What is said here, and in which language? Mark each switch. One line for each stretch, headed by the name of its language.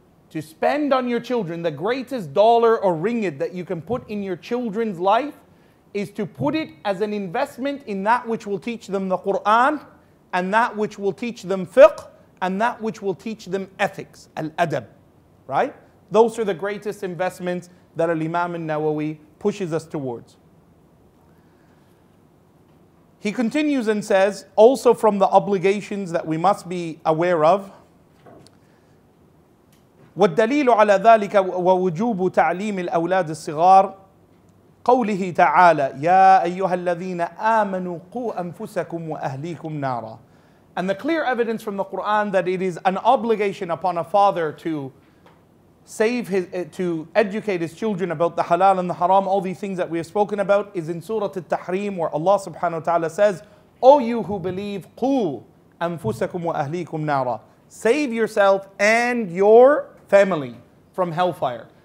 English: To spend on your children, the greatest dollar or ringgit that you can put in your children's life is to put it as an investment in that which will teach them the Qur'an, and that which will teach them fiqh, and that which will teach them ethics, al-adab, right? Those are the greatest investments that al-Imam an-Nawawi pushes us towards. He continues and says, also from the obligations that we must be aware of,
Arabic: وَالدَّلِيلُ عَلَى ذَلِكَ وَوُجُوبُ تَعْلِيمِ الْأَوْلَادِ الصِّغَارِ قوله تعالى يا أيها الذين آمنوا قوا أنفسكم وأهليكم نارا.
English: And the clear evidence from the Quran that it is an obligation upon a father to save his to educate his children about the halal and the haram, all these things that we have spoken about, is in Surah Al-Tahrim, where Allah subhanahu wa ta'ala says, O you who believe,
Arabic: قوا أنفسكم وأهليكم نارا,
English: save yourself and your family from hellfire.